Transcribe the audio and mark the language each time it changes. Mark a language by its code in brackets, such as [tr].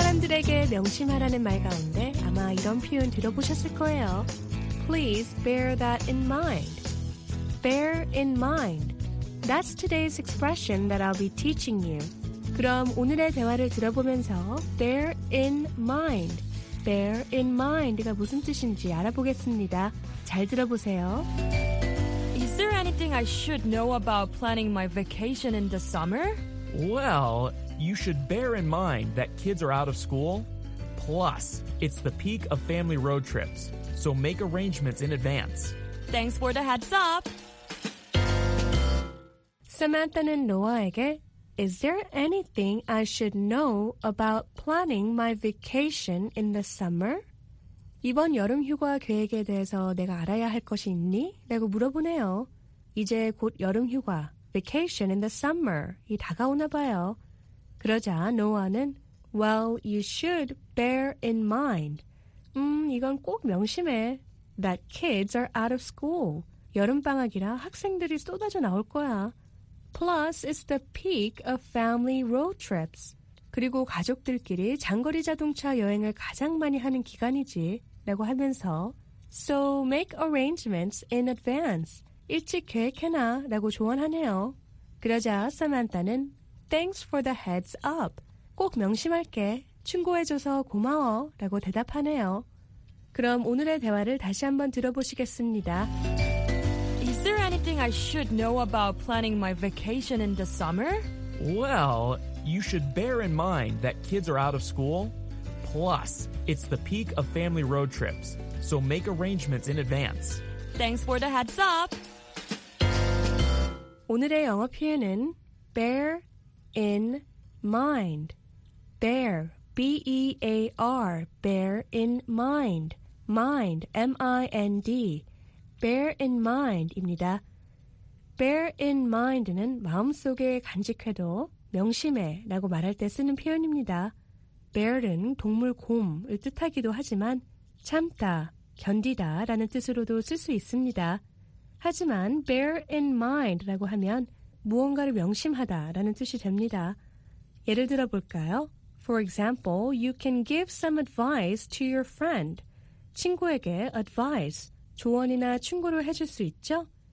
[ko] 에게 명심하라는 말 가운데 아마 이런 표현 들어보셨을 거예요. [en] Please bear that in mind. Bear in mind. That's today's expression that I'll be teaching you. [ko] 그럼 오늘의 대화를 들어보면서 bear in mind. Bear in mind가 무슨 뜻인지 알아보겠습니다. 잘 들어보세요. [en] Is there anything I should know about planning my vacation in the summer? Well, you should bear in mind that kids are out of school. Plus, it's the peak of family road trips, so make arrangements in advance. Thanks for the heads up! Samantha는 Noah에게, Is there anything I should know about planning my vacation in the summer? [ko] 이번 여름 휴가 계획에 대해서 내가 알아야 할 것이 있니? 라고 물어보네요. 이제 곧 여름 휴가, [en] vacation in the summer [ko] 이 다가오나 봐요. 그러자 노아는 [en] Well, you should bear in mind. [ko] 이건 꼭 명심해. [en] That kids are out of school. [ko] 여름방학이라 학생들이 쏟아져 나올 거야. [en] Plus, it's the peak of family road trips. [ko] 그리고 가족들끼리 장거리 자동차 여행을 가장 많이 하는 기간이지. 라고 하면서 [en] So, make arrangements in advance. [ko] 일찍 계획해놔. 라고 조언하네요. 그러자 사만타는 [en] Thanks for the heads up. [ko] 꼭 명심할게. 충고해줘서 고마워. 라고 대답하네요. 그럼 오늘의 대화를 다시 한번 들어보시겠습니다. [en] Is there anything I should know about planning my vacation in the summer? Well, you should bear in mind that kids are out of school. Plus, it's the peak of family road trips, so make arrangements in advance. Thanks for the heads up! [ko] 오늘의 영어 표현은 bear in mind. [en] Bear, B-E-A-R, bear in mind. Mind, M-I-N-D. Bear in mind입니다. [ko] Bear in mind는 마음속에 간직해도 명심해 라고 말할 때 쓰는 표현입니다. Bear은 동물 곰을 뜻하기도 하지만 참다, 견디다 라는 뜻으로도 쓸 수 있습니다. 하지만 bear in mind라고 하면 무언가를 명심하다 라는 뜻이 됩니다. 예를 들어볼까요? [en] For example, you can give some advice to your friend. [ko] 친구에게 advice. 조언이나 충고를 해줄 수 있죠?